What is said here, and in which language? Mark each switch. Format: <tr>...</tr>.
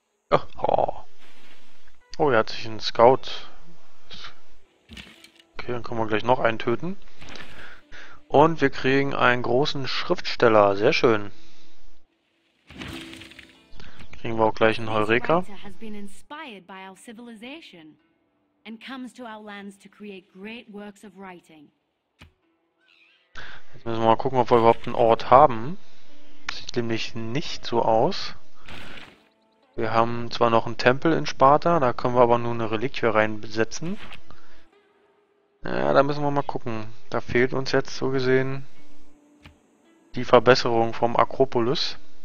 <de>Oh. Oh, er hat sich einen Scout. Okay, dann können wir gleich noch einen töten. Und wir kriegen einen großen Schriftsteller. Sehr schön. Kriegen wir auch gleich einen Heureka.</de> <en>This writer has been inspired by our civilization and comes to our lands to create great works of writing.</en> <de>Jetzt müssen wir mal gucken, ob wir überhaupt einen Ort haben. Sieht nämlich nicht so aus. Wir haben zwar noch einen Tempel in Sparta, da können wir aber nur eine Reliquie reinsetzen. Ja, da müssen wir mal gucken. Da fehlt uns jetzt so gesehen die Verbesserung vom Akropolis.</de>